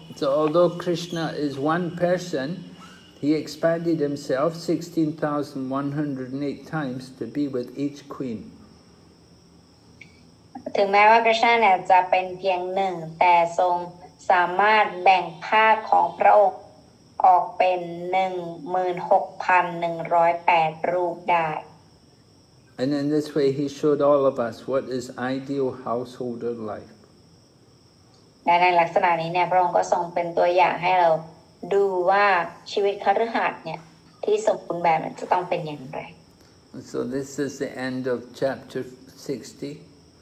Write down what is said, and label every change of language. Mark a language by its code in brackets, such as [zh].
[en] So although Krishna is one person he expanded himself 16,108 times to be with each queen [th] ถึงแม้ว่าพระเจ้าเนี่ยจะเป็นเพียงหนึ่งแต่ทรงสามารถแบ่งภาคของพระองค์ออกเป็น 16,108 รูปได้ [en] And in this way he showed all of us what is ideal householder life [th] และในลักษณะนี้เนี่ยพระองค์ก็ทรงเป็นตัวอย่างให้เราดูว่าชีวิตคฤหัสถ์เนี่ยที่สมบูรณ์แบบมันจะต้องเป็นอย่างไร [en] So this is the end of chapter 60